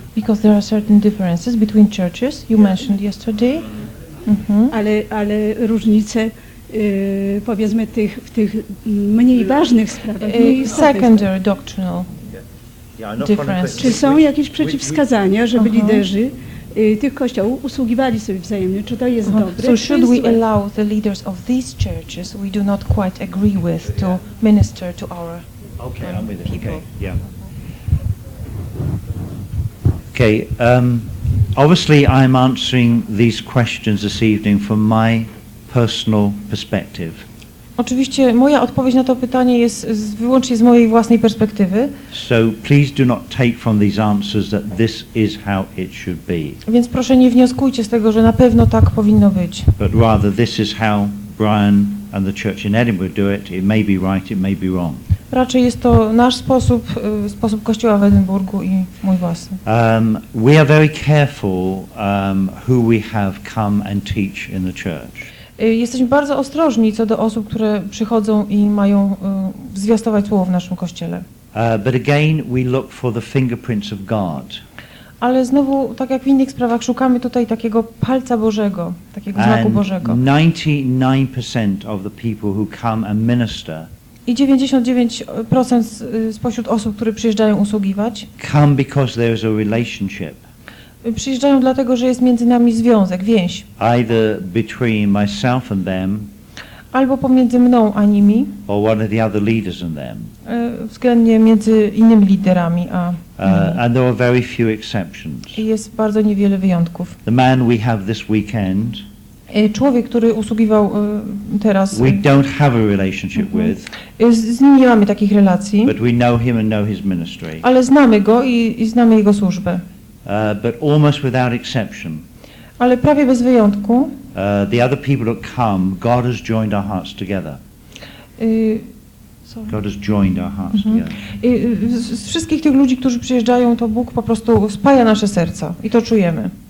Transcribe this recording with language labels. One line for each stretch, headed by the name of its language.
English: Because there are certain differences between churches, you mentioned yesterday. Mm-hmm.
Polish: Ale różnice, powiedzmy, w tych mniej ważnych sprawach.
English: Secondary doctrinal difference.
Polish: Czy są jakieś przeciwwskazania, żeby liderzy tych kościołów usługiwali sobie wzajemnie? Czy to jest dobre?
English: So should we allow the leaders of these churches we do not quite agree with to minister to our people? Okay, yeah. Okay, obviously I'm answering these questions this evening from my personal perspective.
Polish: Oczywiście moja odpowiedź na to pytanie jest wyłącznie z mojej własnej perspektywy.
English: So please do not take from these answers that this is how it should be.
Polish: Więc proszę nie wnioskujcie z tego, że na pewno tak powinno być.
English: But rather this is how Brian and the church in Edinburgh do it. It may be right, it may be wrong.
Polish: Raczej jest to nasz sposób, sposób kościoła w Edynburgu i mój własny.
English: We are very careful who we have come and teach in the church.
Polish: Jesteśmy bardzo ostrożni co do osób, które przychodzą i mają zwiastować słowo w naszym kościele.
English: But again, we look for the fingerprints of God.
Polish: Ale znowu, tak jak w innych sprawach, szukamy tutaj takiego palca Bożego, takiego znaku
English: and
Polish: Bożego.
English: 99% of the people who come and minister.
Polish: I 99% spośród osób, które przyjeżdżają usługiwać,
English: come because there is a relationship.
Polish: Przyjeżdżają dlatego, że jest między nami związek, więź.
English: Either between myself and them,
Polish: albo pomiędzy mną a nimi,
English: or one of the other leaders and them.
Polish: Względnie między innymi liderami a nimi.
English: And there are very few exceptions.
Polish: Jest bardzo niewiele wyjątków.
English: The man we have this weekend,
Polish: człowiek, który usługiwał teraz,
English: we don't have a relationship with,
Polish: z nim nie mamy takich relacji,
English: but we know him and know his ministry.
Polish: Ale znamy go i znamy jego służbę.
English: But almost without exception,
Polish: ale prawie bez wyjątku,
English: the other people that come, God has joined our hearts together. God has joined our hearts together.
Polish: Z wszystkich tych ludzi, którzy przyjeżdżają, to Bóg po prostu spaja nasze serca i to czujemy.